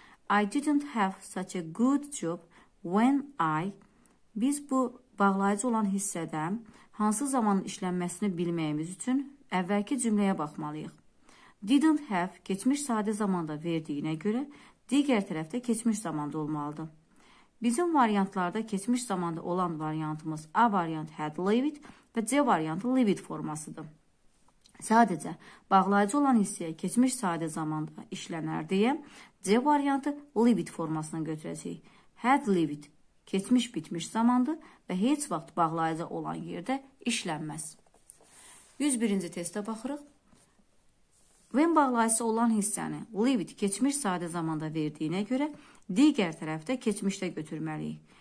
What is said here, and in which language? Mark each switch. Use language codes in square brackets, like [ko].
[en] I didn't have such a good job when I... [az] Biz bu bağlayıcı olan hissədə hansı zamanın işlənməsini bilməyimiz üçün əvvəlki cümləyə baxmalıyıq. [en] Didn't have [az] keçmiş sadə zamanda verdiyinə görə digər tərəfdə keçmiş zamanda olmalıdır. Bizim variantlarda keçmiş zamanda olan variantımız A variant [en] had lived [az] və C variantı lived formasıdır. Sadəcə, bağlayıcı olan hissiyə keçmiş sadə zamanda işlənər deyə C variantı lived formasını götürəcək. [en] Had lived [az] keçmiş bitmiş zamandır və heç vaxt bağlayıcı olan yerdə işlənməz. 101-ci testə baxırıq. When bağlayıcı olan hissəni lived keçmiş sadə zamanda verdiyinə görə digər tərəfdə keçmişdə götürməliyik.